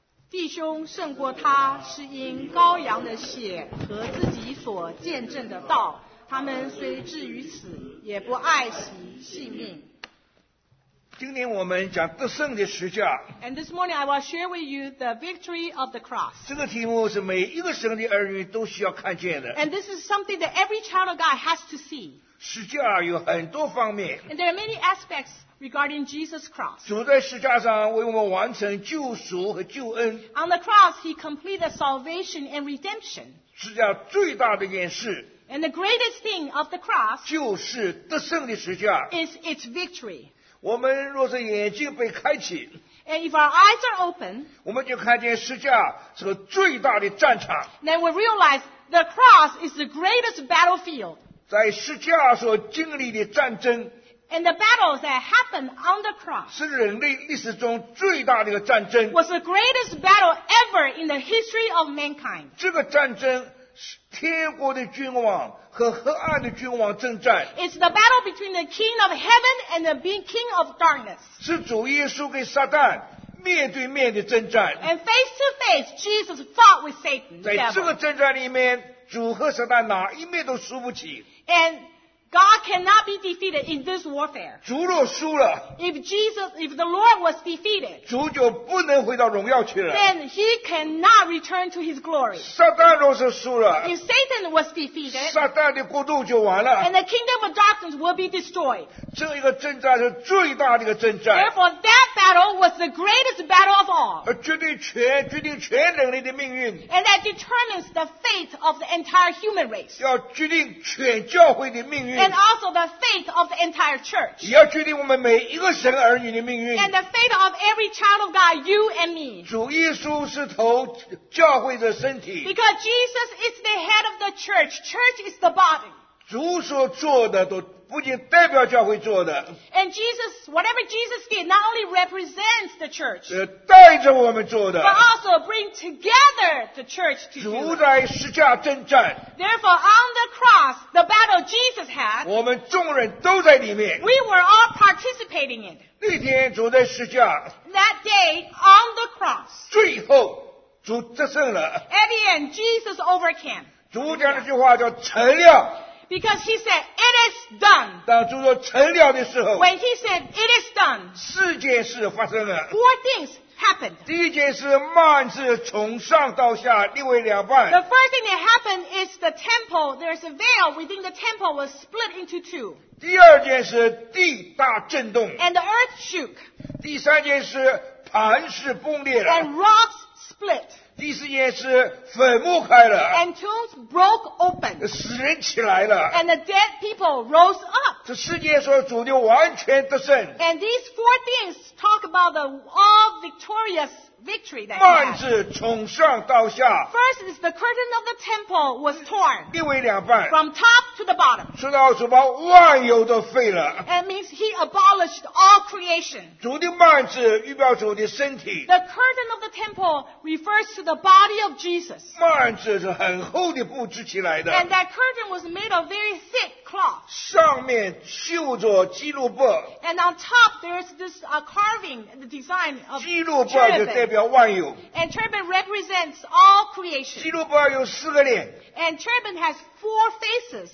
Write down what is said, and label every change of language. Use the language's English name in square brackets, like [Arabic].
[Chinese] 弟兄胜过他是因羔羊的血和自己所见证的道，他们虽至于死也不爱惜性命。今天我们讲得胜的十字架。 [English] And this morning I will share with you the victory of the cross. [Chinese] 这个题目是每一个神的儿女都需要看见的。 [English] And this is something that every child of God has to see. [Chinese] 十字架有很多方面。 [English] And there are many aspects regarding Jesus' cross. [Chinese] 主在十字架上为我们完成救赎和救恩。 [English] On the cross, he completed salvation and redemption. [Chinese] 十字架最大的一件事。 [English] And the greatest thing of the cross [Chinese] 就是得胜的十字架。 [English] Is its victory. [Chinese] 我们若是眼睛被开启 [English] And if our eyes are open, [Chinese] 我们就看见十字架是个最大的战场 [English] Then we realize the cross is the greatest battlefield [Chinese] 在十字架所经历的战争 [English] And the battles that happened on the cross [Chinese] 是人类历史中最大的一个战争 [English] Was the greatest battle ever in the history of mankind [Chinese] 这个战争是天国的君王和黑暗的君王征战。 [English] It's the battle between the king of heaven and the king of darkness. [Chinese] 是主耶稣跟撒旦面对面的征战。 [English] And face to face, Jesus fought with Satan. [Chinese] 在这个征战里面，主和撒旦哪一面都输不起。 [English] And God cannot be defeated in this warfare. [Chinese] 主若输了 [English] if the Lord was defeated, [Chinese] 主就不能回到荣耀去了 [English] then he cannot return to his glory. [Chinese] 撒旦若是输了 [English] if Satan was defeated, [Chinese] 撒旦的国度就完了 [English] and the kingdom of darkness will be destroyed. [Chinese] 这一个征战是最大的一个征战 [English] Therefore, that battle was the greatest battle of all. [Chinese] 而决定全人类的命运 [English] and that determines the fate of the entire human race. [Chinese] 要决定全教会的命运 [English] And also the fate of the entire church. [Chinese] 也要决定我们每一个神儿女的命运。 [English] And the fate of every child of God, you and me. [Chinese] 主耶稣是头，教会的身体。 [English] Because Jesus is the head of the church, church is the body. [Chinese] 主所做的都不仅代表教会做的。 [English] And Jesus, whatever Jesus did, not only represents the church. [Chinese] 也带着我们做的。 [English] But also bring together the church to do. [Chinese] 主在十字架征战。 [English] Therefore, on the cross, the battle Jesus had. [Chinese] 我们众人都在里面。 [English] We were all participating in. [Chinese] 那天主在十字架。 [English] That day, on the cross. [Chinese] 最后主得胜了。 [English] At the end, Jesus overcame. [Chinese] 主讲的句话叫成了。 [English] Because he said, it is done. [Chinese] 当主说成了的时候 [English] When he said, it is done. [Chinese] 四件事发生了 [English] Four things happened. [Chinese] 第一件事幔子从上到下裂为两半 [English] The first thing that happened is the temple. There's a veil within the temple was split into two. [Chinese] 第二件事地大震动 [English] And the earth shook. [Chinese] 第三件事磐石崩裂了 [English] And rocks split. [Chinese] 第四件事坟墓开了 [English] and tombs broke open [Chinese] 死人起来了 [English] and the dead people rose up [Chinese] 这四件事主就完全得胜 [English] and these four things talk about the all victorious victory that he had [Chinese] 幔子从上到下 [English] first is the curtain of the temple was torn [Chinese] 裂为两半 [English] from top to the bottom [Chinese] 说到主把万有都废了 [English] and means he abolished all creation [Chinese] 主的幔子预表主的身体 [English] the curtain of the temple refers to the body of Jesus [Chinese] 幔子是很厚的布织起来的 [English] and that curtain was made of very thick cloth [Chinese] 上面绣着基路伯 [English] and on top there is this carving the design of [Chinese] 基路伯就代表万有 [English] and cherubim represents all creation [Chinese] 基路伯有四个脸 [English] and cherubim has four faces